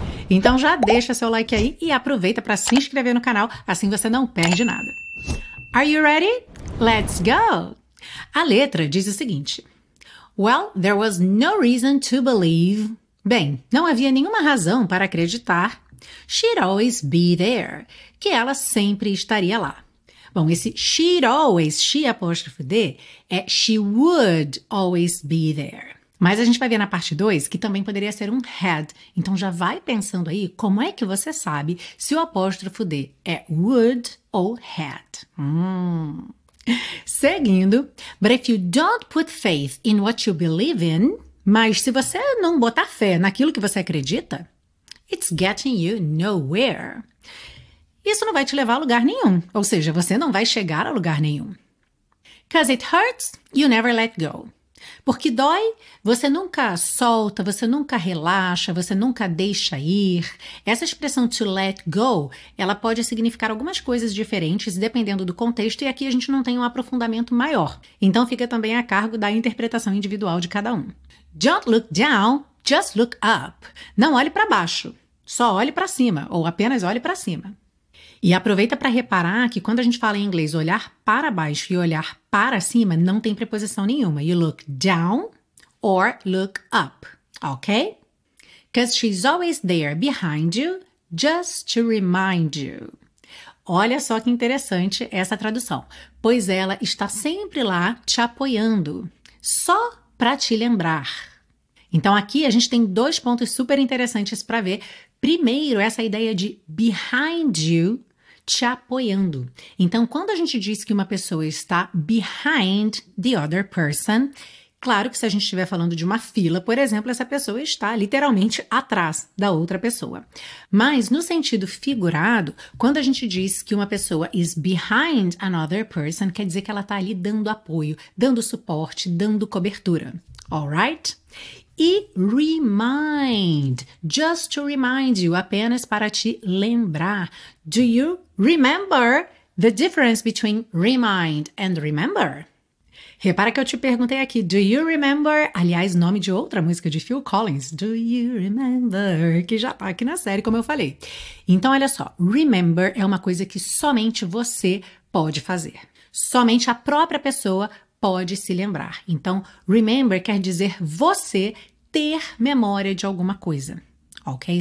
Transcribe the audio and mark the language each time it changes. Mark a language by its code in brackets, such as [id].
[pt] Então já deixa seu like aí e aproveita para se inscrever no canal, assim você não perde nada. [en] Are you ready? Let's go! [pt] A letra diz o seguinte: [en] Well, there was no reason to believe. [pt] Bem, não havia nenhuma razão para acreditar. [en] She'd always be there. [pt] Que ela sempre estaria lá. Bom, esse she'd always, she apóstrofo D, é [en] she would always be there. [pt] Mas a gente vai ver na parte 2 que também poderia ser um had. Então já vai pensando aí como é que você sabe se o apóstrofo D é would ou had. [en] Seguindo, but if you don't put faith in what you believe in, [pt] mas se você não botar fé naquilo que você acredita, [en] it's getting you nowhere. [pt] Isso não vai te levar a lugar nenhum, ou seja, você não vai chegar a lugar nenhum. [en] 'Cause it hurts, you never let go. [pt] Porque dói, você nunca solta, você nunca relaxa, você nunca deixa ir. Essa expressão to let go, ela pode significar algumas coisas diferentes dependendo do contexto, e aqui a gente não tem um aprofundamento maior. Então fica também a cargo da interpretação individual de cada um. [en] Don't look down, just look up. [pt] Não olhe para baixo, só olhe para cima, ou apenas olhe para cima. E aproveita para reparar que quando a gente fala em inglês olhar para baixo e olhar para cima, não tem preposição nenhuma. [en] You look down or look up, ok? 'Cause she's always there behind you, just to remind you. [pt] Olha só que interessante essa tradução. Pois ela está sempre lá te apoiando, só para te lembrar. Então aqui a gente tem 2 pontos super interessantes para ver. Primeiro, essa ideia de behind you, te apoiando. Então, quando a gente diz que uma pessoa está [en] behind the other person, [pt] Claro que se a gente estiver falando de uma fila, por exemplo, essa pessoa está literalmente atrás da outra pessoa. Mas no sentido figurado, quando a gente diz que uma pessoa [en] is behind another person, [pt] quer dizer que ela está ali dando apoio, dando suporte, dando cobertura. [en] All right? E remind, just to remind you, [pt] apenas para te lembrar. [en] Do you remember the difference between remind and remember? [pt] Repara que eu te perguntei aqui, [en] do you remember? [pt] Aliás, nome de outra música de Phil Collins, do you remember? Que já tá aqui na série, como eu falei. Então, olha só, remember é uma coisa que somente você pode fazer. Somente a própria pessoa pode se lembrar. Então, remember quer dizer você ter memória de alguma coisa. Ok?